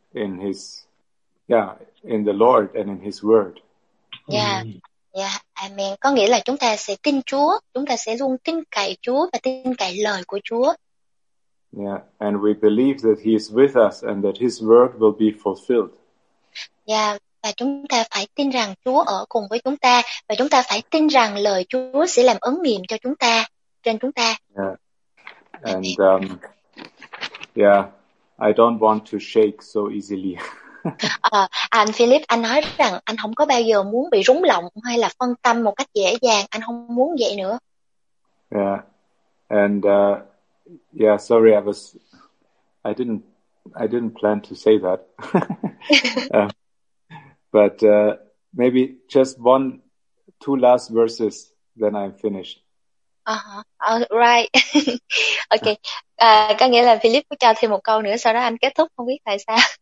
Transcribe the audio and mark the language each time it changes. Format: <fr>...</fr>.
<en>in his, yeah, in the Lord and in his word. Amen.</en> <vi>Có nghĩa là chúng ta sẽ tin Chúa, chúng ta sẽ luôn tin cậy Chúa và tin cậy lời của Chúa.</vi> <en>Yeah, and we believe that he is with us and that his word will be fulfilled.</en> <vi>Yeah, và chúng ta phải tin rằng Chúa ở cùng với chúng ta và chúng ta phải tin rằng lời Chúa sẽ làm ứng nghiệm cho chúng ta, trên chúng ta. Yeah.</vi> <en>And I don't want to shake so easily.</en> <vi>anh Philip, anh nói rằng anh không có bao giờ muốn bị rúng lòng hay là phân tâm một cách dễ dàng, anh không muốn vậy nữa. Yeah.</vi> <en>And sorry, I didn't plan to say that. but maybe just one, two last verses, then I'm finished. Right. Okay.</en> <vi>có nghĩa là Philip có cho thêm một câu nữa, sau đó anh kết thúc, không biết tại sao.</vi>